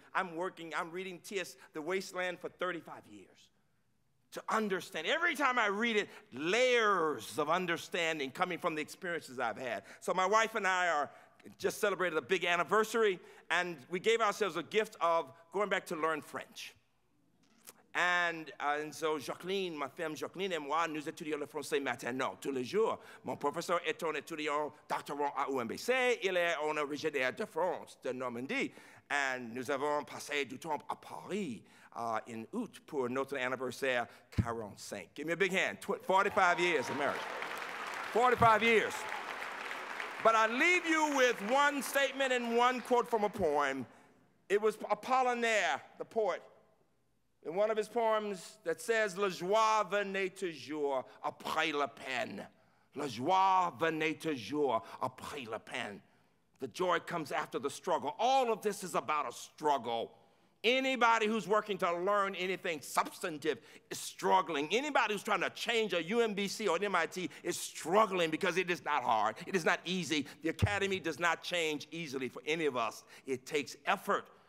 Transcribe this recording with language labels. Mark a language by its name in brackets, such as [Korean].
[English] I'm reading T.S. The Wasteland for 35 years to understand. Every time I read it, layers of understanding coming from the experiences I've had. So my wife and I are just celebrated a big anniversary, and we gave ourselves a gift of going back to learn French. And so [French] Jacqueline, ma femme Jacqueline et moi, nous étudions le français maintenant, tous les jours. Mon professeur est un étudiant doctorant à UMBC, il est un originaire de France, de Normandie. [English] And [French] nous avons passé du temps à Paris [English] in [French] août pour notre anniversaire 45. [English] Give me a big hand, 45 years of marriage. 45 years. But I leave you with one statement and one quote from a poem. It was Apollinaire, the poet, in one of his poems that says, [French] "La joie venait toujours après la peine. La joie venait toujours après la peine." [English] The joy comes after the struggle. All of this is about a struggle. Anybody who's working to learn anything substantive is struggling. Anybody who's trying to change a UMBC or an MIT is struggling because it is not hard. It is not easy. The academy does not change easily for any of us. It takes effort.